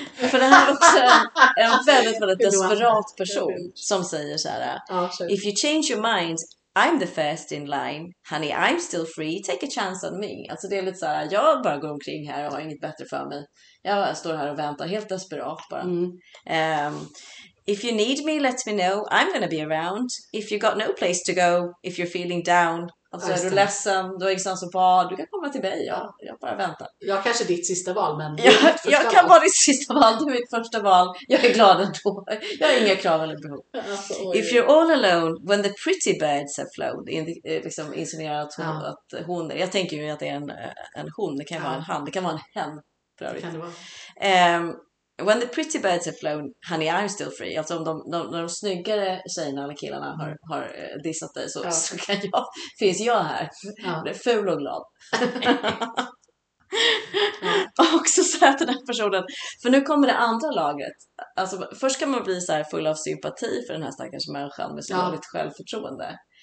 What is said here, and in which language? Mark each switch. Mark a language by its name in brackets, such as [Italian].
[Swedish] För det här är också en väldigt, väldigt desperat person som säger så här: [English] if you change your mind, I'm the first in line, honey, I'm still free, take a chance on me. [Swedish] Alltså det är lite så här: jag bara går omkring här och har inget bättre för mig, jag står här och väntar helt desperat bara. Mm. [English] If you need me, let me know, I'm gonna be around, if you got no place to go, if you're feeling down. [Swedish] Alltså är du ledsen, du har ingenstans att vara, du kan komma till mig, jag bara väntar. Jag kanske är ditt sista val, men jag kan vara ditt sista val, du är mitt första val. Jag är glad ändå, jag har inga krav eller behov. Alltså, [English] if you're all alone, when the pretty birds have flown, [Swedish] liksom insinuerar att hon, att hon, jag tänker ju att det är en hon, det kan vara en han, det kan vara en hen. Det kan det vara. [English] When the pretty birds have flown, honey, I'm still free. [Swedish] Alltså om de snyggare tjejerna eller killarna har dissat dig, så, så kan jag, finns jag här. Ja. Det är ful och glad. Och också så här till den här personen. För nu kommer det andra lagret. Alltså, först kan man bli så här full av sympati för den här stackars människan med så dåligt självförtroende.